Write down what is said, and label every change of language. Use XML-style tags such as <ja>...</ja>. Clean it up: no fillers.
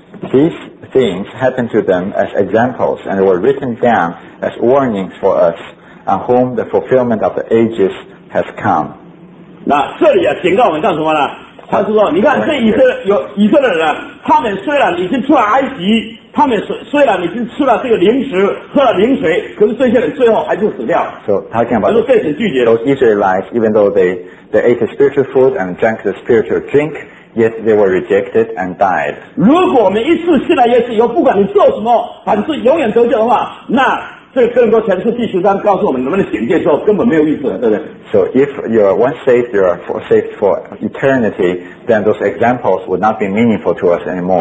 <en>These things happened to them as examples and were written down as warnings for us. On whom the fulfillment of the ages has come.</en> <zh>那这里啊，警告我们干什么呢？他是说，你看这以色列人，他们虽然已经出了埃及，他们虽然已经吃了这个灵食，喝了灵水，可是这些人最后还是死掉。</zh> <en>So talking about those Israelites, even though they ate the spiritual food and drank the spiritual drink, yet they were rejected and died.</en> <zh>如果我们一次信了耶稣以后，不管你做什么，反正永远得救的话，那这个哥林多前书第十章告诉我们，能不能警戒说根本没有意思，对不对</zh> <en>？So if you are once saved, you are saved for eternity. Then those examples would not be meaningful to us anymore.</en>